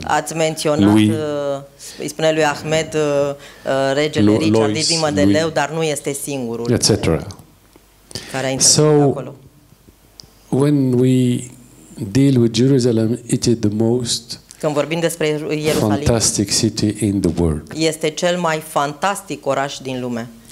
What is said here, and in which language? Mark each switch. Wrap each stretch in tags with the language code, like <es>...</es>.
<ro>Ați menționat, îi spune lui Ahmed, regele Richard Lois, de Leu, dar nu este singurul. Etc. Care a intervenit acolo.</ro> <en>When we deal with Jerusalem, it is the most</en> <ro>când vorbim despre Ierusalim,</ro> <en>fantastic city in the world.</en> <ro>Este cel mai fantastic oraș din lume.</ro>